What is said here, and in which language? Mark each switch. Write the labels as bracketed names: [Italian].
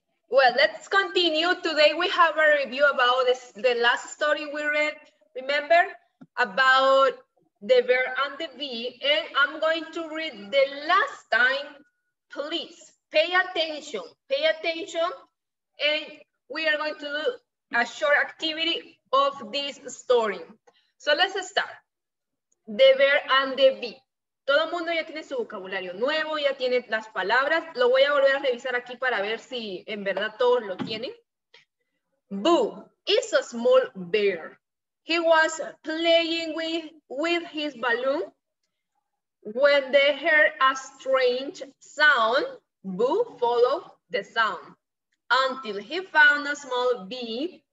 [English] Well, let's continue. Today we have a review about this, the last story we read, remember, about the bear and the bee, and I'm going to read the last time. Please pay attention, and we are going to do a short activity of this story. So let's start. The bear and the bee. [Spanish] Todo mundo ya tiene su vocabulario nuevo, ya tiene las palabras. Lo voy a volver a revisar aquí para ver si en verdad todos lo tienen. [English] Boo is a small bear. He was playing with his balloon when they heard a strange sound. Boo followed the sound until he found a small bee.